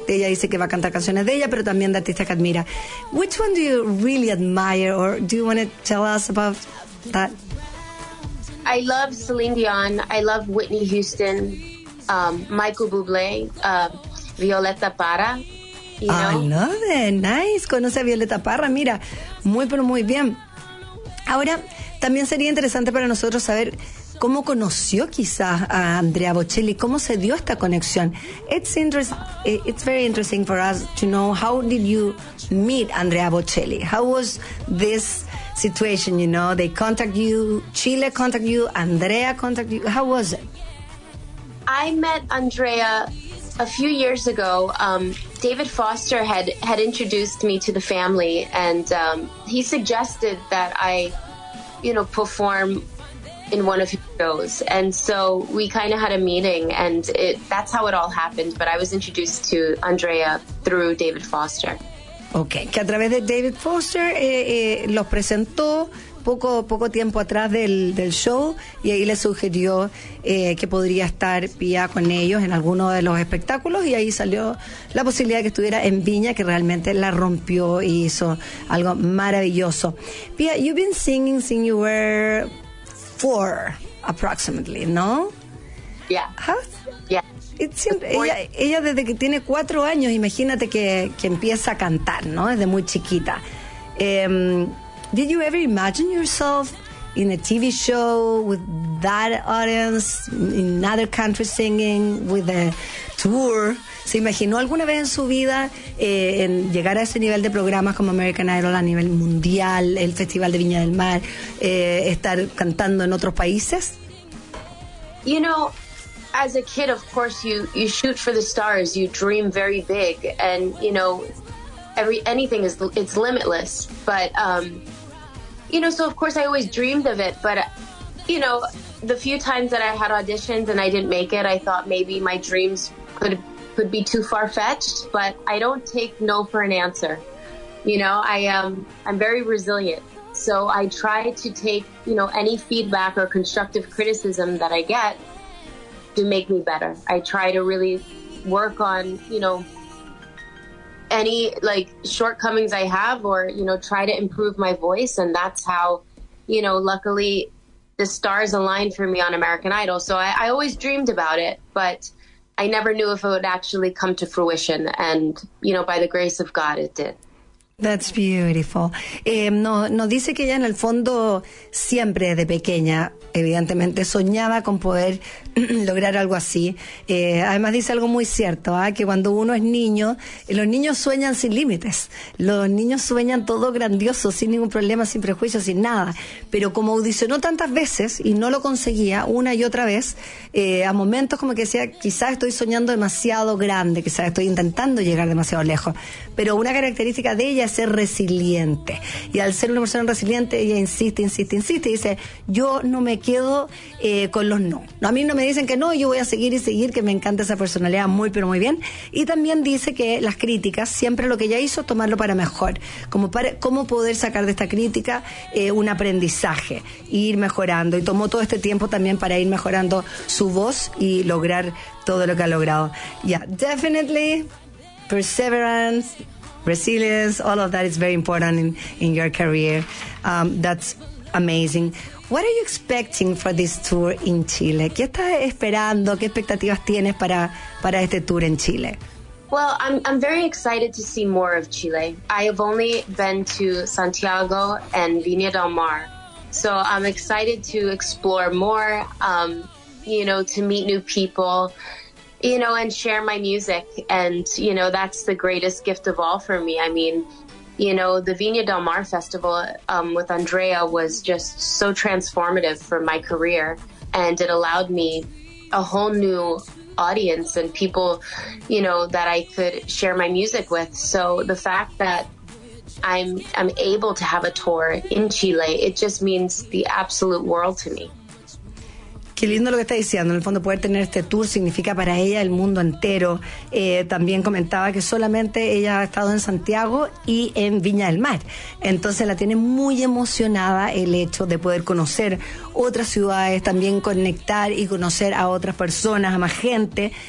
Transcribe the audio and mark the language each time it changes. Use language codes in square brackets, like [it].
[es] Ella dice que va a cantar canciones de ella, pero también de artistas que admira. [en] Which one do you really admire, or do you want to tell us about that? I love Celine Dion. I love Whitney Houston, Michael Bublé, Violeta Parra. You know? I love it. Nice. [es] Conoce a Violeta Parra. Mira, muy, pero muy bien. Ahora, también sería interesante para nosotros saber cómo conoció quizás a Andrea Bocelli, cómo se dio esta conexión. [en] It's very interesting for us to know, how did you meet Andrea Bocelli? How was this situation, you know? They contact you, Chile contact you, Andrea contact you. How was it? I met Andrea a few years ago. David Foster had introduced me to the family, and he suggested that I, you know, perform in one of his shows, and so we kind of had a meeting, and that's how it all happened. But I was introduced to Andrea through David Foster. [es] Okay, que a través de David Foster los presentó poco tiempo atrás del show, y ahí le sugirió que podría estar Pia con ellos en alguno de los espectáculos, y ahí salió la posibilidad de que estuviera en Viña, que realmente la rompió y hizo algo maravilloso. [en] Pia, you've been singing since you were 4, approximately, ¿no? Yeah. Huh? Yeah. [es] Ella desde que tiene 4 años, imagínate que empieza a cantar, ¿no? Desde muy chiquita. [en] Did you ever imagine yourself in a TV show with that audience, in other countries singing, with a tour? [es] ¿Se imaginó alguna vez en su vida en llegar a ese nivel de programas como American Idol a nivel mundial, el Festival de Viña del Mar, estar cantando en otros países? [en] You know, as a kid, of course, you shoot for the stars, you dream very big, and, you know, anything it's limitless, but, you know, so of course I always dreamed of it, but, you know, the few times that I had auditions and I didn't make it, I thought maybe my dreams could be too far-fetched, but I don't take no for an answer. You know, I'm very resilient. So I try to take, you know, any feedback or constructive criticism that I get to make me better. I try to really work on, you know, any like shortcomings I have, or, you know, try to improve my voice. And that's how, you know, luckily the stars aligned for me on American Idol. So I always dreamed about it, but I never knew if it would actually come to fruition. And, you know, by the grace of God, it did. That's beautiful. [es] Nos dice que ella en el fondo siempre de pequeña, evidentemente, soñaba con poder lograr algo así. Además dice algo muy cierto, ¿eh? Que cuando uno es niño, los niños sueñan sin límites. Los niños sueñan todo grandioso, sin ningún problema, sin prejuicios, sin nada. Pero como audicionó tantas veces y no lo conseguía una y otra vez, a momentos como que decía, quizás estoy soñando demasiado grande, quizás estoy intentando llegar demasiado lejos. Pero una característica de ella es ser resiliente. Y al ser una persona resiliente, ella insiste, insiste, insiste. Y dice, yo no me quedo con los no. A mí no me dicen que no, yo voy a seguir y seguir, que me encanta esa personalidad muy, pero muy bien. Y también dice que las críticas, siempre lo que ella hizo es tomarlo para mejor, como para cómo poder sacar de esta crítica un aprendizaje, ir mejorando. Y tomó todo este tiempo también para ir mejorando su voz y lograr todo lo que ha logrado. [en] Yeah, definitely, perseverance, resilience, all of that is very important in your career. That's amazing. What are you expecting for this tour in Chile? [es] ¿Qué estás esperando? ¿Qué expectativas tienes para este tour en Chile? [en] Well, I'm very excited to see more of Chile. I have only been to Santiago and Viña del Mar. So I'm excited to explore more, you know, to meet new people, you know, and share my music. And, you know, that's the greatest gift of all for me. I mean, you know, the Viña del Mar Festival with Andrea was just so transformative for my career. And it allowed me a whole new audience and people, you know, that I could share my music with. So the fact that I'm able to have a tour in Chile, it just means the absolute world to me. [es] Qué lindo lo que está diciendo. En el fondo, poder tener este tour significa para ella el mundo entero. También comentaba que solamente ella ha estado en Santiago y en Viña del Mar. Entonces la tiene muy emocionada el hecho de poder conocer otras ciudades, también conectar y conocer a otras personas, a más gente.